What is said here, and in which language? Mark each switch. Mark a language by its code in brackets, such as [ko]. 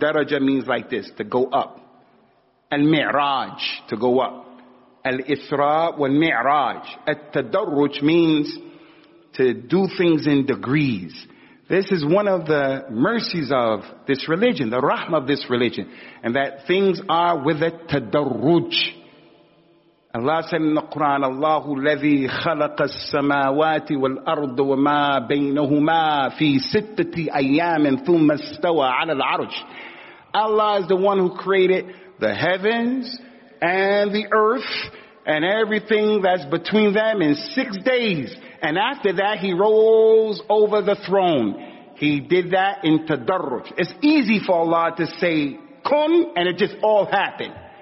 [en] Daraja means like this, to go up. Al-mi'raj, to go up. Al-isra wal-mi'raj. At-tadarruj means to do things in degrees. This is one of the mercies of this religion, the rahmah of this religion. And that things are with at-tadarruj. Allah said in the Quran, Allah [ar] الذي خلق السماوات والأرض وما بينهما في ستة أيام ثم استوى على العرش. [en] Allah is the one who created the heavens and the earth and everything that's between them in 6 days. And after that, he rose over the throne. He did that in tadarruj. It's easy for Allah to say, kun, and it just all happened.